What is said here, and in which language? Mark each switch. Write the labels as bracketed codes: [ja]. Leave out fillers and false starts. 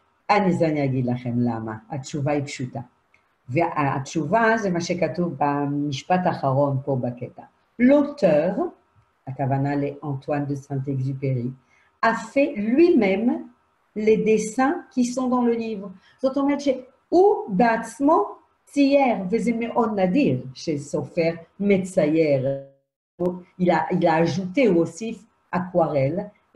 [he] אני זה אני אגיד לכם למה, התשובה היא פשוטה. והתשובה זה מה שכתוב במשפט האחרון פה בקטע. [fr] L'auteur, [he] הכוונה לאנטואן דה סנט-אקזופרי, [fr] a fait lui-même les dessins qui sont dans le livre. [he] זאת אומרת שהוא בעצמו צייר, וזה מאוד נדיר שסופר מצייר. [fr] Il a ajouté, [he] הוא הוסיף, [fr] aquarelle,